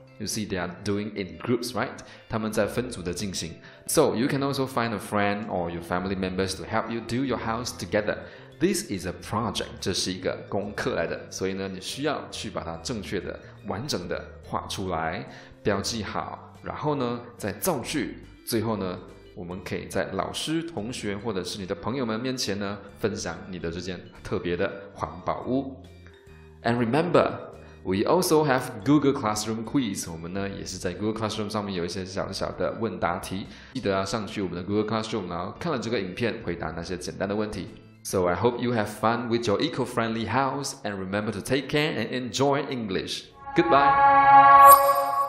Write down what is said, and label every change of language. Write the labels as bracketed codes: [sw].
[en] You see, they are doing in groups, right? [zh] 他们在分组的进行。 [en] So, you can also find a friend or your family members to help you do your house together. This is a project, [zh] 这是一个功课来的。所以呢，你需要去把它正确的、完整的画出来，标记好，然后呢，再造句。最后呢，我们可以在老师、同学或者是你的朋友们面前呢，分享你的这件特别的环保屋。 [en] And remember,We also have Google Classroom quiz. [zh] 我们呢也是在 Google Classroom 上面有一些小小的问答题。记得要上去我们的 Google Classroom, 然后看了这个影片回答那些简单的问题。 [en] So I hope you have fun with your eco-friendly house and remember to take care and enjoy English. Goodbye!